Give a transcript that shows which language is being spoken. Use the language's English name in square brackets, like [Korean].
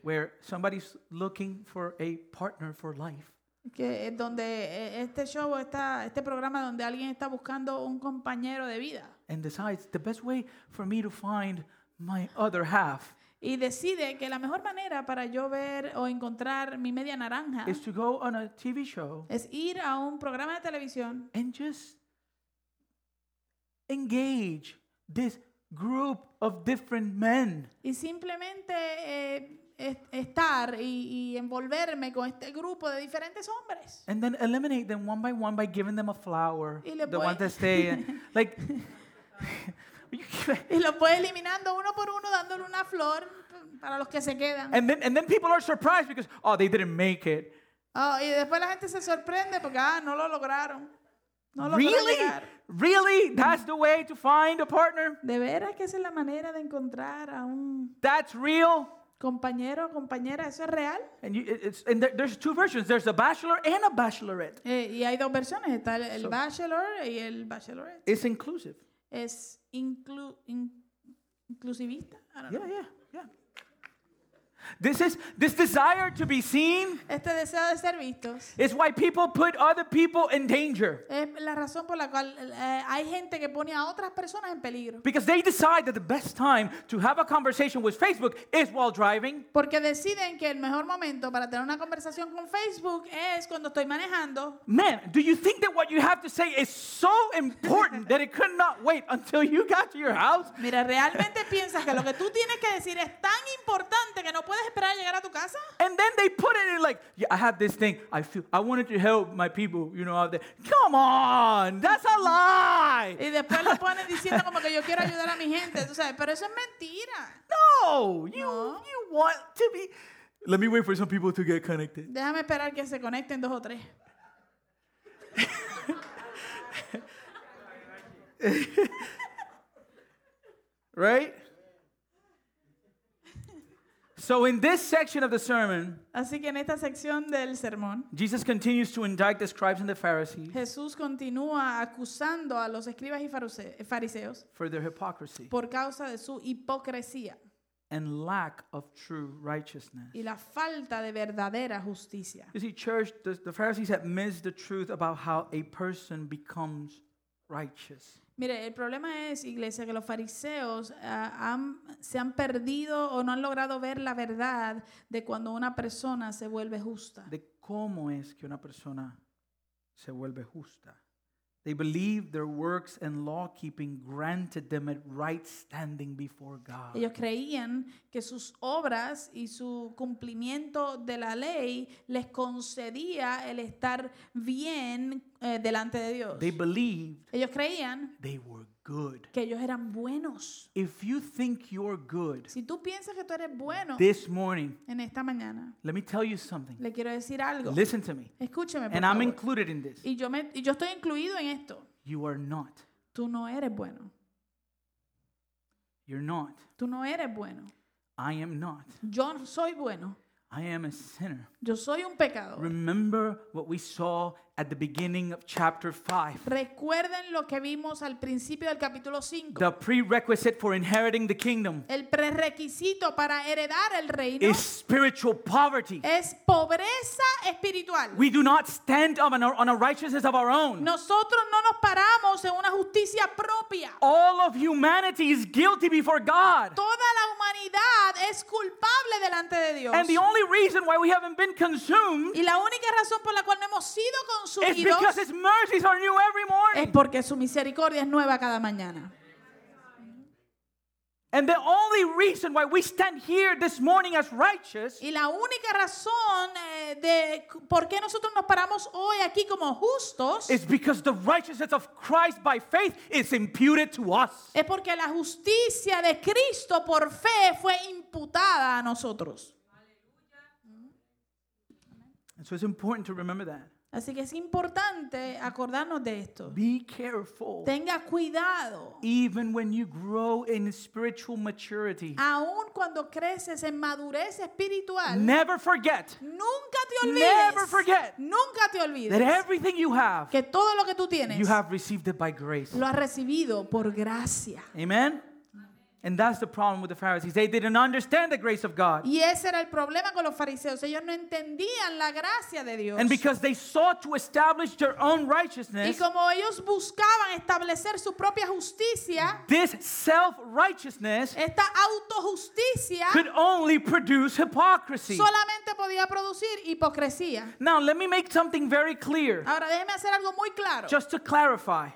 [English] Where somebody's looking for a partner for life. [Spanish] Que donde este show está, este programa donde alguien está buscando un compañero de vida. [English] And decides the best way for me to find my other half. [Spanish] Y decide que la mejor manera para yo ver o encontrar mi media naranja [English] is to go on a TV show, [Spanish] es ir a un programa de televisión, [English] and just engage this group of different men. [Spanish] Y simplemente estar y envolverme con este grupo de diferentes hombres. [English] And then eliminate them one by one by giving them a flower. [Spanish] Y le [English] the one that stay in. Like [Spanish] y lo puede eliminando uno por uno dándole una flor para los que se quedan. [English] And then people are surprised because oh they didn't make it. [Spanish] Oh, y después la gente se sorprende porque no lo lograron. No lo [English] really? [Spanish] Lograron. [English] Really? That's the way to find a partner? [Spanish] De veras que esa es la manera de encontrar a un [English] That's real? [Spanish] Compañero, compañera, ¿eso es real? [English] And you, there's two versions. There's a bachelor and a bachelorette. [Spanish] Y hay dos versiones, está el so, bachelor y el bachelorette. [English] It's inclusive. [Spanish] Es inclusivista. [English] Yeah. This desire to be seen. [Spanish] Este deseo de ser vistos. [English] Is why people put other people in danger. [Spanish] Es la razón por la cual hay gente que pone a otras personas en peligro. [English] Because they decide that the best time to have a conversation with Facebook is while driving. [Spanish] Porque deciden que el mejor momento para tener una conversación con Facebook es cuando estoy manejando. [English] Man, do you think that what you have to say is so important that it could not wait until you got to your house? [Spanish] Mira, ¿realmente piensas que lo que tú tienes que decir es tan importante que no puedes esperar a llegar a tu casa? [English] And then they put it in like, yeah, I have this thing. I wanted to help my people, you know, out there. Come on, that's a lie. [Spanish] Y después lo ponen diciendo como que yo quiero ayudar a mi gente, tú sabes, pero eso es mentira. [English] No, you want to be. Let me wait for some people to get connected. [Spanish] Déjame esperar que se conecten dos o tres. [English] Right? So in this section of the sermon, [Spanish] así que en esta sección del sermón, [English] Jesus continues to indict the scribes and the Pharisees. [Spanish] Jesús continúa acusando a los escribas y fariseos [English] for their hypocrisy, [Spanish] por causa de su hipocresía, [English] and lack of true righteousness, [Spanish] y la falta de verdadera justicia. [English] You see, church, the Pharisees have missed the truth about how a person becomes righteous. [Spanish] Mire, el problema es, iglesia, que los fariseos se han perdido o no han logrado ver la verdad de cuando una persona se vuelve justa. De cómo es que una persona se vuelve justa. [English] They believe their works and law keeping granted them a right standing before God. [Spanish] Ellos creían que sus obras y su cumplimiento de la ley les concedía el estar bien delante de Dios. [English] They believed. [Spanish] Ellos creían. [English] They were good. [Spanish] Que ellos eran buenos. [English] If you think you're good. [Spanish] Si tú piensas que tú eres bueno. [English] This morning. [Spanish] En esta mañana. [English] Let me tell you something. [Spanish] Le quiero decir algo. [English] Listen to me. [Spanish] Escúcheme, por [English] And [Spanish] favor. [English] I'm included in this. [Spanish] Y yo estoy incluido en esto. [English] You are not. [Spanish] Tú no eres bueno. [English] You're not. [Spanish] Tú no eres bueno. [English] I am not. [Spanish] Yo soy bueno. [English] I am a sinner. [Spanish] Yo soy un pecador. [English] Remember what we saw at the beginning of chapter 5. [Spanish] Recuerden lo que vimos al principio del capítulo 5. [English] The prerequisite for inheriting the kingdom. [Spanish] El prerequisito para heredar el reino [English] is spiritual poverty. [Spanish] Es pobreza espiritual. [English] We do not stand on a righteousness of our own. [Spanish] Nosotros no nos paramos en una justicia propia. [English] All of humanity is guilty before God. [Spanish] Toda la humanidad es culpable delante de Dios. [English] And the only reason why we haven't been consumed, [Spanish] y la única razón por la cual no hemos sido consumidos, [English] is because his mercies are new every morning. [Spanish] Es porque su misericordia es nueva cada mañana. [English] And the only reason why we stand here this morning as righteous, [Spanish] y la única razón de por qué nosotros nos paramos hoy aquí como justos, [English] is because the righteousness of Christ by faith is imputed to us. [Spanish] Es porque la justicia de Cristo por fe fue imputada a nosotros. [English] And so it's important to remember that. [Spanish] Así que es importante acordarnos de esto. [English] Be careful. [Spanish] Tenga cuidado. [English] Even when you grow in spiritual maturity. [Spanish] Aún cuando creces en madurez espiritual. [English] Never forget. [Spanish] Nunca te olvides. [English] Never forget. [Spanish] Nunca te olvides. [English] That everything you have. [Spanish] Que todo lo que tú tienes. [English] You have received it by grace. [Spanish] Lo has recibido por gracia. [English] Amen. And that's the problem with the Pharisees. They didn't understand the grace of God. [Spanish] Y ese era el problema con los fariseos. Ellos no entendían la gracia de Dios. [English] And because they sought to establish their own righteousness. [Spanish] Y como ellos buscaban establecer su propia justicia. [English] This self-righteousness. [Spanish] Esta autojusticia. [English] Could only produce hypocrisy. [Spanish] Solamente podía producir hipocresía. [English] Now let me make something very clear. [Spanish] Ahora déjeme hacer algo muy claro. [English] Just to clarify.